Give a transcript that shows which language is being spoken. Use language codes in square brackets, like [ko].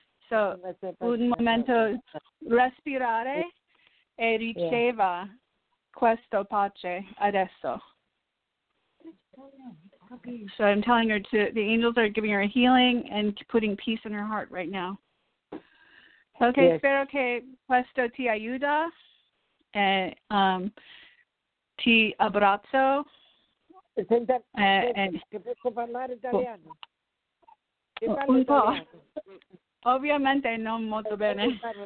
[it] So, un momento, respirare e riceva questo pace adesso. [en] So I'm telling her to, the angels are giving her a healing and putting peace in her heart right now. Okay, yes. [it] Spero che questo ti aiuta e ti abbraccio. Capisco parlare italiano? Un po'. Ovviamente non molto bene.